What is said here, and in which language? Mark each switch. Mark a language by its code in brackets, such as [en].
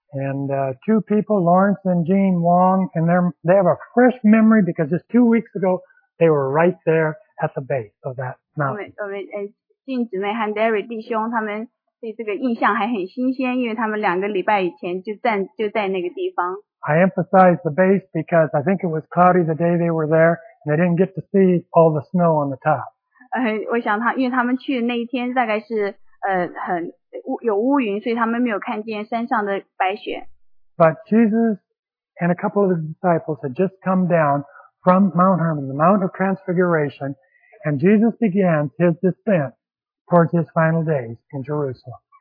[en] And two people, Lawrence and Jean Wong, and they have a fresh memory because just 2 weeks ago, they were right there at the base of that mountain. [zh] 金姊妹和 Derry 弟兄他们对这个印象还很新鲜，因为他们两个礼拜以前就在那个地方。 [en] I emphasize the base because I think it was cloudy the day they were there, and they didn't get to see all the snow on the top. [zh] 我想他因为他们去的那一天大概是很有乌云，所以他们没有看见山上的白雪。 [en] But Jesus and a couple of the disciples had just come down from Mount Hermon, the Mount of Transfiguration, and Jesus began his descent towards his final days in Jerusalem.